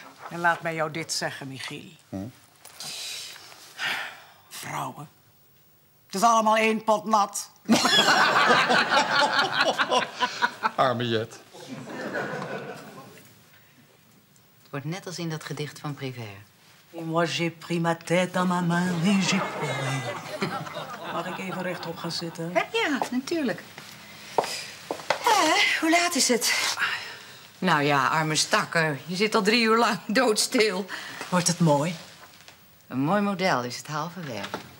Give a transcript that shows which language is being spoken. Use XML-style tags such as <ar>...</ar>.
<nl>En laat mij jou dit zeggen, Michiel. Hm? Vrouwen. Het is allemaal één pot nat. Arme Jet. Het wordt net als in dat gedicht van Prévert.</nl> <fr>Moi, j'ai pris ma tête dans ma main, et j'ai pleuré.</fr> <nl>Mag ik even rechtop gaan zitten? Ja, natuurlijk. Hoe laat is het? Nou ja, arme stakker. Je zit al 3 uur lang doodstil. Wordt het mooi? Een mooi model is het halve werk.</nl>